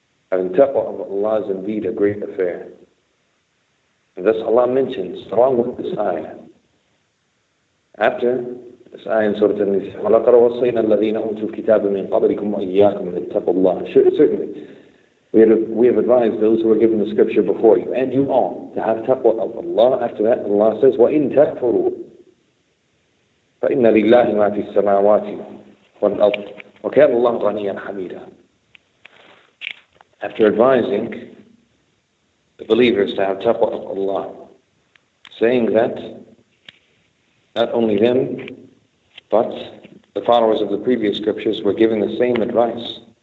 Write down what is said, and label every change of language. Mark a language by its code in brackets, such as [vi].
[en] Having taqwa of Allah is indeed a great affair. And thus Allah mentions, along with this ayah, after this ayah in Surah An-Nisa, [ar] وَلَقَدْ وَصَّيْنَا الَّذِينَ أُوتُوا الْكِتَابَ مِنْ قَبْلِكُمْ وَإِيَّاكُمْ أَنِ اتَّقُوا اللَّهَ. [en] Certainly, we have advised those who were given the scripture before you, and you all, to have taqwa of Allah. After that, Allah says, [ar] وَإِن تَكْفُرُوا فَإِنَّ لِلَّهِ مَا فِي السَّمَاوَاتِ وَالْأَرْضِ وَكَانَ اللَّهُ غَنِيًّا حَمِيدًا. [en] After advising the believers to have taqwa of Allah, saying that not only them, but the followers of the previous scriptures were giving the same advice.